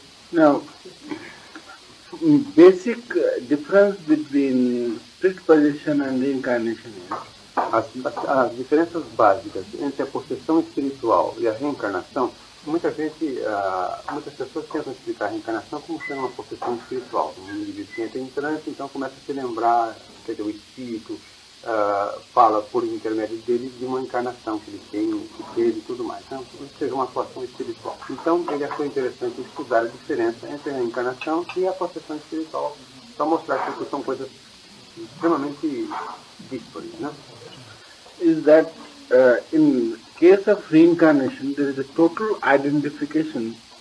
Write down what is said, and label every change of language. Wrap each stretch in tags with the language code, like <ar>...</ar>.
<en>Now, basic difference between spirit possession and reincarnation is?</en> <pt>As diferenças básicas entre a possessão espiritual e a reencarnação, muitas pessoas tentam explicar a reencarnação como sendo uma possessão espiritual. Um indivíduo que entra em trânsito, então começa a se lembrar, entendeu, o espírito, fala por intermédio dele de uma encarnação que ele tem, que teve e tudo mais. Então, isso seja uma atuação espiritual. Então, ele achou interessante estudar a diferença entre a encarnação e a possessão espiritual, para mostrar que são coisas extremamente díspares, né?</pt> <en>Is that, in case of reincarnation, there is a total identification</en>